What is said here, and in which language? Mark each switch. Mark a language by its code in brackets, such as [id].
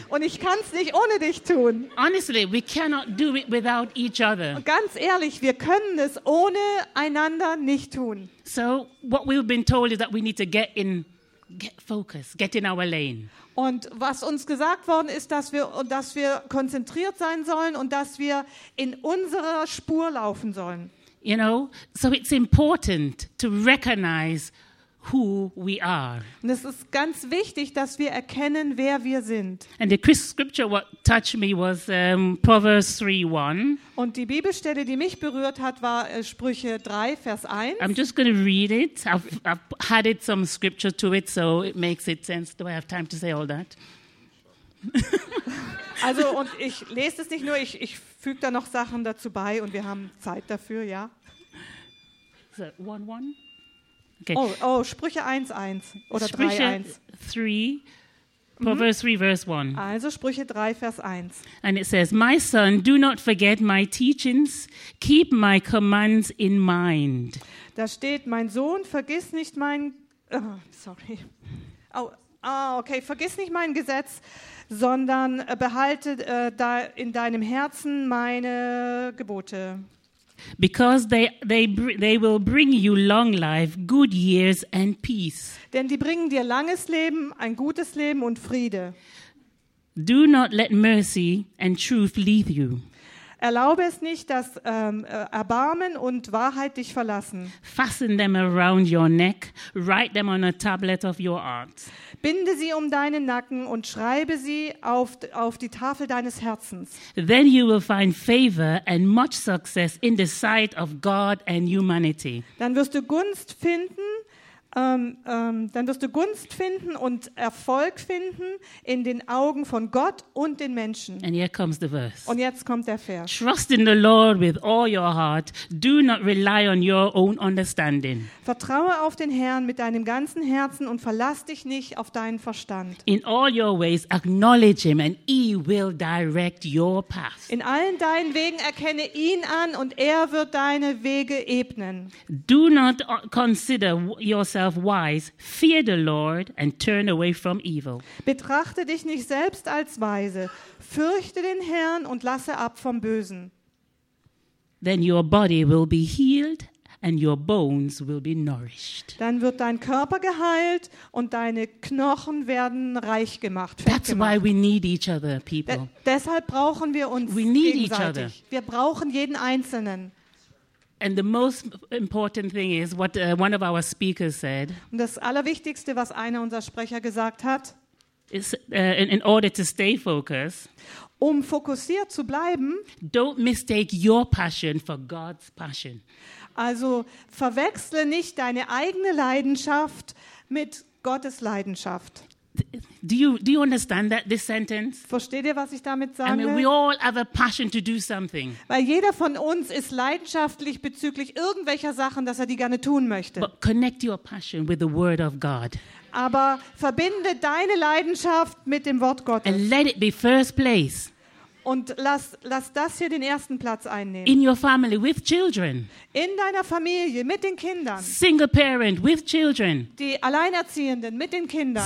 [de] Und ich kann es nicht ohne dich tun. [en] Honestly, we cannot do it without without each other. [de] Ganz ehrlich, wir können es ohne einander nicht tun. [en] So what we've been told is that we need to get in our lane. [de] Und was uns gesagt worden ist, dass wir konzentriert sein sollen und dass wir in unserer Spur laufen sollen. [en] You know, so it's important to recognize who we are. [de] Und es ist ganz wichtig, dass wir erkennen, wer wir sind. [en] And the scripture what touched me was Proverbs 3:1. [de] Und die Bibelstelle, die mich berührt hat, war Sprüche 3, Vers 1. [en] I'm just going to read it. I've added some scripture to it, so it makes it sense. Do I have time to say all that? [de] Also, und ich lese es nicht nur, ich füge da noch Sachen dazu bei und wir haben Zeit dafür, ja? [en] So, 1:1? [de] Okay. Oh, Sprüche 1:1 oder 3:1. [en] Proverbs 3, verse 1. [de] Also Sprüche 3, Vers 1. [en] And it says, my son, do not forget my teachings, keep my commands in mind. [de] Da steht, mein Sohn, vergiss nicht mein... vergiss nicht mein Gesetz, sondern behalte in deinem Herzen meine Gebote. [en] Because they will bring you long life, good years and peace. [de] Denn die bringen dir langes Leben, ein gutes Leben und Friede. [en] Do not let mercy and truth leave you. [de] Erlaube es nicht, dass Erbarmen und Wahrheit dich verlassen. [en] Fasten them around your neck, write them on a tablet of your heart. [de] Binde sie um deinen Nacken und schreibe sie auf die Tafel deines Herzens. [en] Then you will find favor and much success in the sight of God and humanity. [de] Dann wirst du Gunst finden, und Erfolg finden in den Augen von Gott und den Menschen. [en] And here comes the verse. [de] Und jetzt kommt der Vers. [en] Trust in the Lord with all your heart. Do not rely on your own understanding. [de] Vertraue auf den Herrn mit deinem ganzen Herzen und verlass dich nicht auf deinen Verstand. [en] In all your ways acknowledge him and he will direct your path. [de] In allen deinen Wegen erkenne ihn an und er wird deine Wege ebnen. [en] Do not consider yourself wise, fear the Lord and turn away from evil. [de] Betrachte dich nicht selbst als weise, fürchte den Herrn und lasse ab vom Bösen. [en] Then your body will be healed and your bones will be nourished. [de] Dann wird dein Körper geheilt und deine Knochen werden reich gemacht. [en] That's why we need each other, people. [de] Deshalb brauchen wir uns gegenseitig. [en] We need each other. [de] Wir brauchen jeden Einzelnen. [en] And the most important thing is what one of our speakers said. [de] Und das Allerwichtigste, was einer unserer Sprecher gesagt hat, [en] is in order to stay focused, [de] um fokussiert zu bleiben, [en] don't mistake your passion for God's passion. [de] Also verwechsle nicht deine eigene Leidenschaft mit Gottes Leidenschaft. [en] Do you understand that this sentence? [de] Versteht ihr, was ich damit sage? [en] I mean, we all have a passion to do something. [de] Weil jeder von uns ist leidenschaftlich bezüglich irgendwelcher Sachen, dass er die gerne tun möchte. [en] But connect your passion with the Word of God. [de] Aber verbinde deine Leidenschaft mit dem Wort Gottes. [en] And let it be first place. [de] Und lass das hier den ersten Platz einnehmen. [en] In your family with children. [de] In deiner Familie mit den Kindern. [en] Single parent with children. [de] Die Alleinerziehenden mit den Kindern.